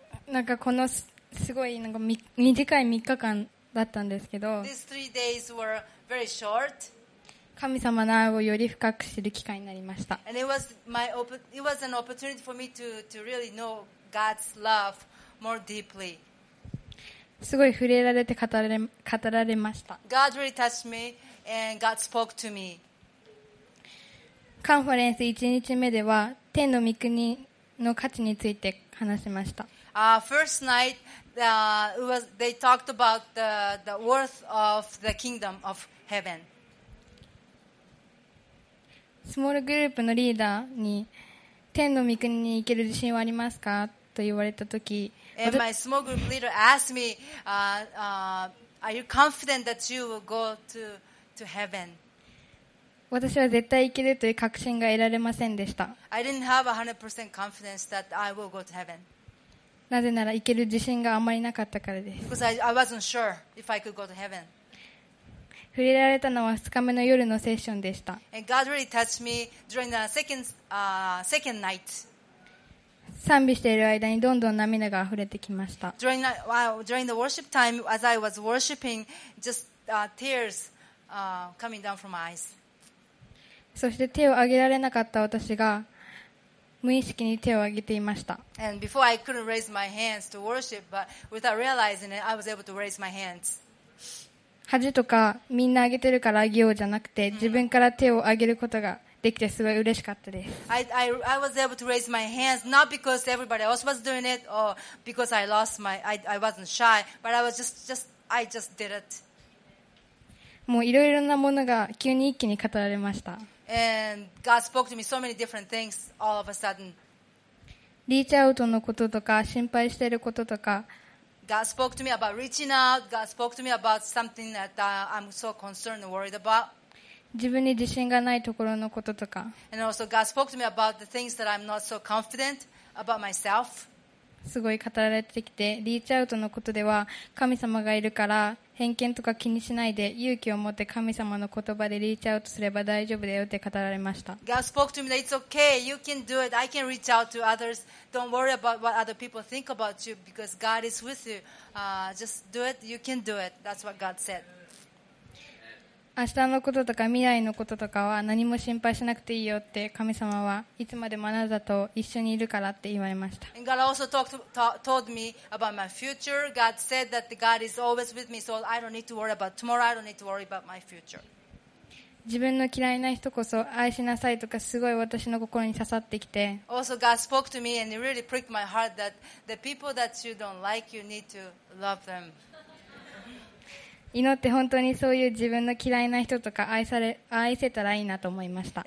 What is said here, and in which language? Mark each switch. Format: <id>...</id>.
<ja>なんかこの すごいなんか短い3日間だったんですけど、</ja> <en>These three days were very short.</en> <ja>神様の愛をより深く知る機会になりました。</ja> <en>And it was an opportunity for me to really know God's love more deeply.</en> <ja>すごい触れられて語られました。</ja> <en>God really touched me and God spoke to me.</en> <ja>カンファレンス1日目では天の御国の価値について話しました。</ja> <en>First night, they talked about the worth of the kingdom of heaven.</en> <ja>スモールグループのリーダーに天の御国に行ける自信はありますかと言われたとき、</ja> <en>And my small group leader asked me, are you confident that you will go to heaven?</en> <ja>私は絶対行けるという確信が得られませんでした。</ja> <en>I didn't have 100% confidence that I will go to heaven.</en> <ja>なぜなら行ける自信があまりなかったからです。</ja> <en>Because I wasn't sure if I could go to heaven.</en> <ja>触れられたのは2日目の夜のセッションでした。</ja> <en>And God really touched me during the second night.</en> <ja>賛美している間にどんどん涙が溢れてきました。</ja> <en>During the worship time, as I was worshiping, just tears coming down from my eyes.</en> <ja>そして手を挙げられなかった私が無意識に手を挙げていました。</ja> <en>And before I couldn't raise my hands to worship, but without realizing it, I was able to raise my hands.</en> <ja>恥とかみんな挙げてるから挙げようじゃなくて、自分から手を挙げることができてすごい嬉しかったです。</ja> <en>I was able to raise my hands not because everybody else was doing it or because I lost my I wasn't shy, but I was just did it.</en> <ja>もういろいろなものが急に一気に語られました。リーチアウトのこととか心配していることとか、</ja> <en>God spoke to me about reaching out. God spoke to me about something that I'm so concerned and worried about.</en> <ja>自分に自信がないところのこととか、</ja> <en>And also God spoke to me about the things that I'm not so confident about myself.</en> <ja>すごい語られてきて、リーチアウトのことでは神様がいるから偏見とか気にしないで勇気を持って神様の言葉でリーチアウトすれば大丈夫だよって語られました。</ja> <en>God spoke to me that it's okay, you can do it, I can reach out to others, don't worry about what other people think about you because God is with you, just do it, you can do it, that's what God said.</en> <ja>明日のこととか未来のこととかは何も心配しなくていいよって、神様はいつまでもあなたと一緒にいるからって言われました。</ja> <en>And God also told me about my future. God said that God is always with me, so I don't need to worry about tomorrow, I don't need to worry about my future.</en> <ja>自分の嫌いな人こそ愛しなさいとかすごい私の心に刺さってきて。</ja> <en>Also, God spoke to me and it really pricked my heart that the people that you don't like, you need to love them.</en> <ja>祈って本当にそういう自分の嫌いな人とか愛せたらいいなと思いました。</ja>